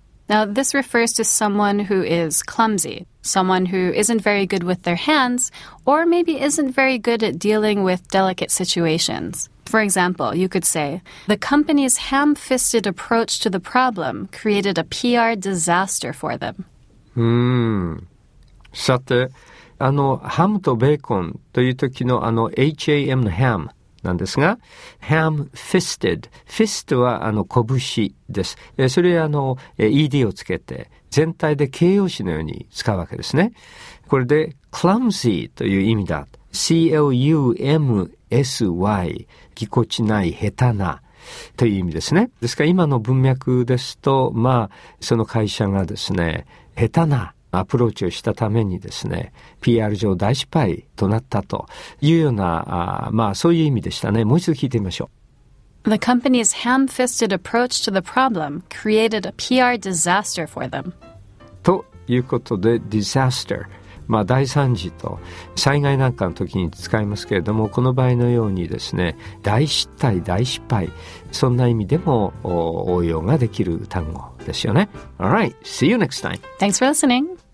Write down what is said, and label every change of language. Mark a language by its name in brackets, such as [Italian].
[English] Now, this refers to someone who is clumsy, someone who isn't very good with their hands, or maybe isn't very good at dealing with delicate situations. For example, you could say, the company's ham-fisted approach to the problem created a PR disaster for them. [Japanese] さて、ハムとベーコンという時の HAM のハムなんですが、ハムフィスティッド。フィストは拳です。それは ED をつけて、全体で形容詞のように使うわけですね。これで、clumsy という意味だ。clumsy。ぎこちない、下手な。という意味ですね。ですから今の文脈ですと、まあ、その会社がですね、下手なアプローチをしたためにですね、PR 上大失敗となったというような、まあそういう意味でしたね。もう一度聞いてみましょう。 [English] The company's ham-fisted approach to the problem created a PR disaster for them. [Japanese] ということで、disaster。まあ、大惨事と災害なんかの時に使いますけれども、この場合のようにですね、大失態、大失敗、そんな意味でも応用ができる単語ですよね。 [English] Alright, see you next time. Thanks for listening.